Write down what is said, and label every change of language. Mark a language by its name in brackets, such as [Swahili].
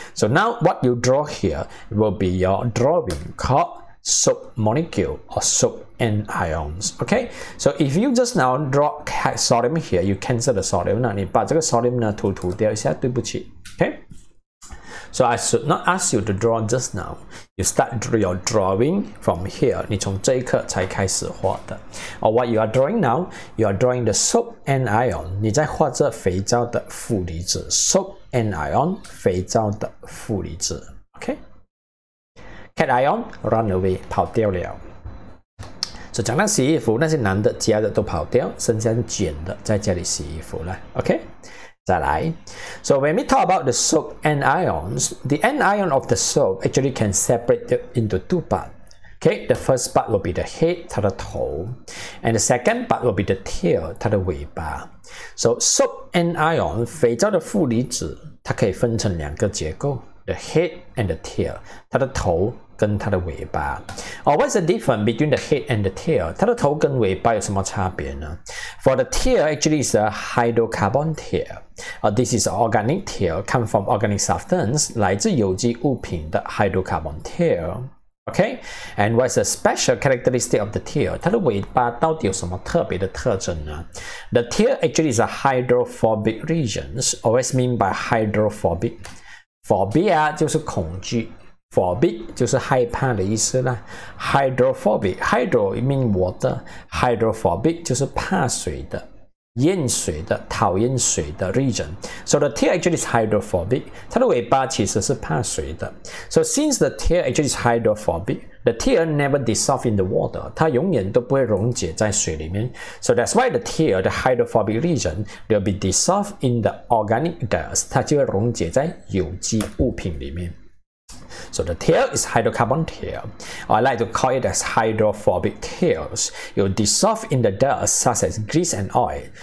[English] So now what you draw here will be your drawing called soap molecule or soap anions. Okay, so if you just now draw sodium here, you cancel the sodium, [Chinese] 你把这个 sodium 涂掉一下, 对不起, [English] okay? So I should not ask you to draw just now. You start your drawing from here. [Chinese] 你从这一刻才开始画的. [English] Or what you are drawing now, you are drawing the soap anion. [Chinese] 你在画这肥皂的负离子. [English] Soap anion, [Chinese] 肥皂的负离子.Okay? [English] Cation, run away, [Chinese] 跑掉了. So 讲到洗衣服, 那些男的、家的都跑掉, 剩下捡的在家里洗衣服了. [English] Okay? 再来, so when we talk about the soap anions, the anion of the soap actually can separate it into two parts. Okay, the first part will be the head, [Chinese] 它的头, [English] and the second part will be the tail, [Chinese] 它的尾巴. [English] So soap anion, [Chinese] 肥皂的负离子, 它可以分成两个结构, [English] the head and the tail, [Chinese] 它的头跟它的尾巴. [English] Or what's the difference between the head and the tail? [Chinese] 它的头跟尾巴有什么差别呢? [English] For the tail actually is a hydrocarbon tail. This is organic tail, come from organic substance, [Chinese] 来自有机物品的 [English] hydrocarbon tail. Okay, and what is the special characteristic of the tail? [Chinese] 它的尾巴到底有什么特别的特征呢? [English] The tail actually is a hydrophobic region, always mean by hydrophobic. [Chinese] Phobia就是恐惧, phobic就是害怕的意思啦. [English] Hydrophobic, hydro mean water, hydrophobic [Chinese] 就是怕水的. 厌水的, 讨厌水的 [English] region. So the tail actually is hydrophobic. [Chinese] 它的尾巴其实是怕水的. [English] So since the tail actually is hydrophobic, the tail never dissolve in the water. [Chinese] 它永远都不会溶解在水里面. [English] So that's why the tail, the hydrophobic region, will be dissolved in the organic dust. [Chinese] 它就会溶解在有机物品里面. [English] So the tail is hydrocarbon tail. I like to call it as hydrophobic tails. You dissolve in the dust such as grease and oil.